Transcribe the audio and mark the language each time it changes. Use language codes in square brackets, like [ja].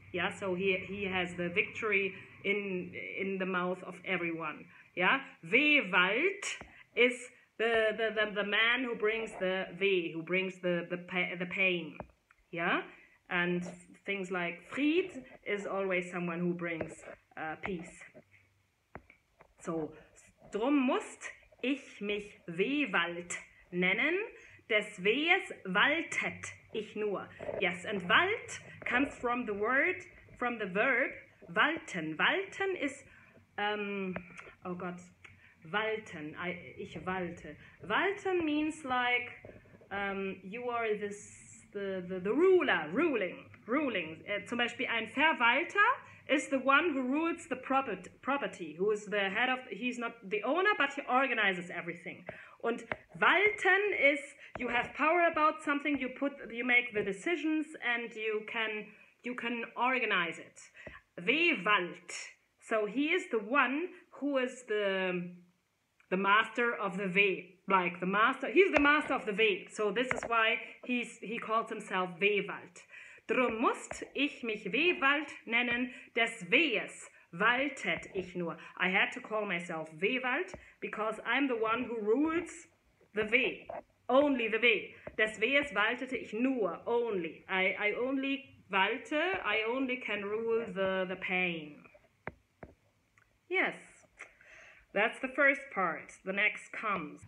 [en] Yeah, so he has the victory in the mouth of everyone. Yeah, Wehwald is the man who brings the weh, who brings the pain. Yeah, and things like Fried is always someone who brings peace. [de] So, drum musst ich mich Wehwald nennen, des Wehes waltet ich nur. [en] Yes, and Wald comes from the word, from the verb walten. [de] Walten is walten, ich walte. [en] Walten means like you are this the ruler, ruling. [de] Zum Beispiel ein Verwalter [en] is the one who rules the property, who is the head of, he's not the owner, but he organizes everything. Und walten is, you have power about something, you make the decisions and you can organize it. Wewalt. So he is the one who is the master of the W. Like the master, he's the master of the W. So this is why he calls himself Wewalt. [de] Drum musst ich mich Wewalt nennen, des Wehes waltet ich nur. [en] I had to call myself Wewalt, because I'm the one who rules the W. Only the W. [de] Des Wehes waltete ich nur, [en] only. I only walte, I only can rule the pain. Yes, that's the first part. The next comes.